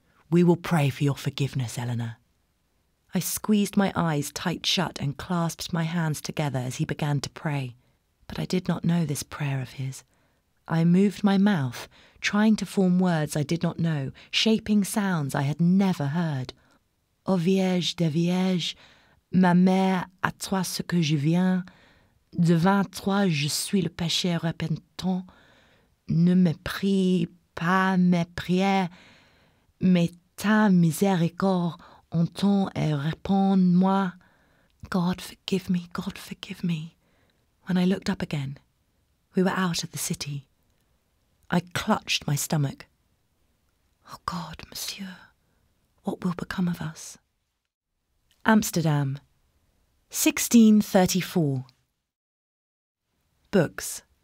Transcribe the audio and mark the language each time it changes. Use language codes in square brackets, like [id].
[en] We will pray for your forgiveness, Eleanor. I squeezed my eyes tight shut and clasped my hands together as he began to pray. But I did not know this prayer of his. I moved my mouth, trying to form words I did not know, shaping sounds I had never heard. [fr] Au Vierge de Vierge, ma mère, à toi ce que je viens, devant toi je suis le péché repentant, ne me prie pas mes prières, mais ta miséricorde, entends et réponds-moi. [en] God forgive me, God forgive me. When I looked up again, we were out of the city. I clutched my stomach. Oh God, monsieur, what will become of us? Amsterdam, 1634. Books.